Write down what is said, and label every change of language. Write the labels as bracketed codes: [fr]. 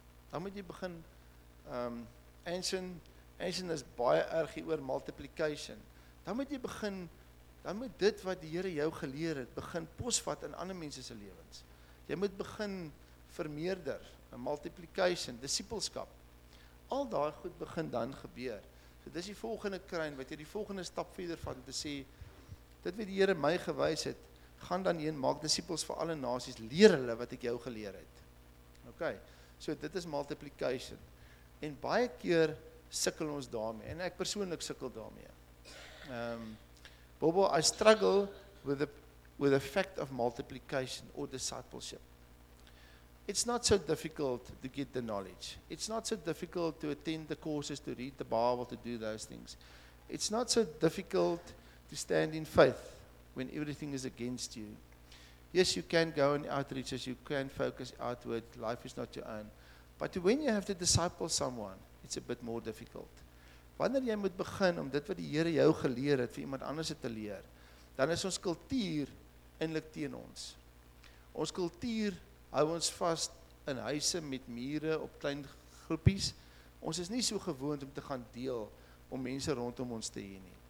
[af] Dan moet jy begin Anson is baie erg hier oor multiplication. Dan moet dit wat die Here jou geleer het, begin posvat in ander mense se lewens. Jy moet begin vermeerder, 'n multiplication, disipelskap. Al daai goed begin dan gebeur. So dis die volgende kruin wat jy die volgende stap verder vat om te sê, dit wat die Here my gewys het, gaan dan heen maak disipels vir alle nasies, leer hulle wat ek jou geleer het. OK. So dit is multiplication. En baie keer sukkel ons daarmee en ek persoonlik sukkel daarmee. [en] Bobo, I struggle with the fact of multiplication or discipleship. It's not so difficult to get the knowledge. It's not so difficult to attend the courses, to read the Bible, to do those things. It's not so difficult to stand in faith when everything is against you. Yes, you can go on outreaches, you can focus outward, life is not your own. But when you have to disciple someone, it's a bit more difficult. [af] Wanneer jy moet begin om dit wat die Here jou geleer het vir iemand anders te leer, dan is ons kultuur eintlik teen ons. Ons kultuur hou ons vas in huise met mure op klein groepies. Ons is nie so gewoond om te gaan deel om mense rondom ons te hê nie.